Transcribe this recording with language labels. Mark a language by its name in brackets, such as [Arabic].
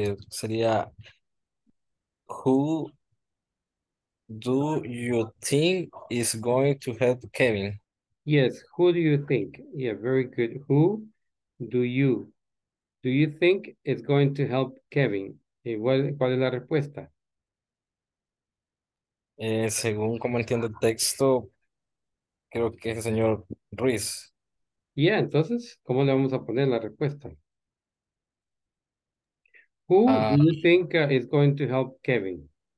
[English] Sería, who do you think is going to help Kevin? Yes, who do you think? Yeah, very good. Who do you think is going to help Kevin? [Spanish] ¿Cuál es la respuesta? Según como entiendo el texto, creo que es el señor Ruiz. Yeah, entonces, ¿cómo le vamos a poner la respuesta? [English] Who do you think is going to help Kevin?